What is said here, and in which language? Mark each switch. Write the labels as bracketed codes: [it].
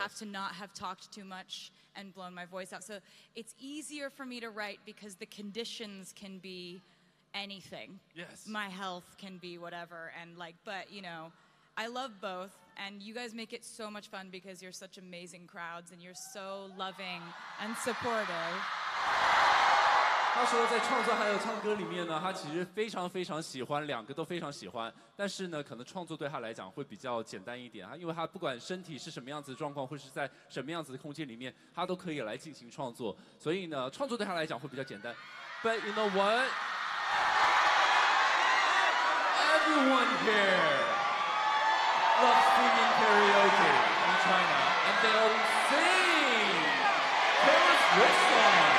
[en] have to not have talked too much and blown my voice out. So it's easier for me to write because the conditions can be anything. Yes. My health can be whatever. And like, but, you know, I love both. And you guys make it so much fun because you're such amazing crowds and you're so loving and supportive. [zh] 他说在创作还有唱歌里面呢，他其实非常非常喜欢，两个都非常喜欢，但是呢可能创作对他来讲会比较简单一点，因为他不管身体是什么样子的状况或是在什么样子的空间里面，他都可以来进行创作，所以呢创作对他来讲会比较简单。 [en] But you know what? Everyone here loves singing karaoke in China and they all sing Paris Whistler.